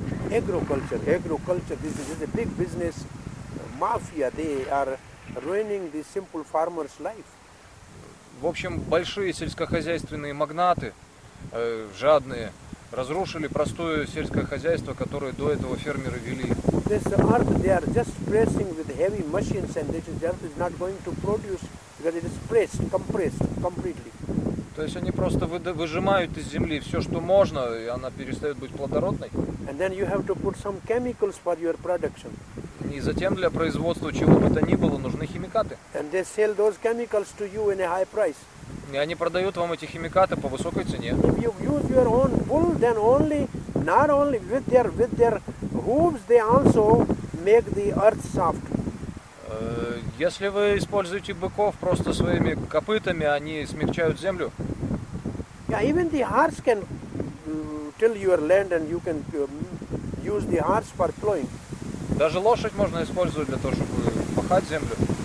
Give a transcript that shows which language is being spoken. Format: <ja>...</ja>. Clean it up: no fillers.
<en>Agriculture, this is a big business mafia. They are ruining the simple farmer's life.</en> <ru>В общем, большие сельскохозяйственные магнаты, жадные, разрушили простое сельское хозяйство, которое до этого фермеры вели.</ru> <en>This earth, they are just pressing with heavy machines, and this earth is not going to produce because it is pressed, compressed completely.</en> <ru>То есть они просто выжимают из земли все, что можно, и она перестает быть плодородной.</ru> <en>And then you have to put some chemicals for your production.</en> <ru>И затем для производства чего бы то ни было нужны химикаты.</ru> <en>And they sell those chemicals to you in a high price.</en> <ru>И они продают вам эти химикаты по высокой цене.</ru> <en>If you use your own bull, then only, not only with their hooves, they also make the earth soft.</en> <ru>Если вы используете быков просто своими копытами, они смягчают землю.</ru> <en>Yeah, even the horse can till your land, and you can use the horse for plowing.</en> <ru>Даже лошадь можно использовать для того, чтобы пахать землю.</ru>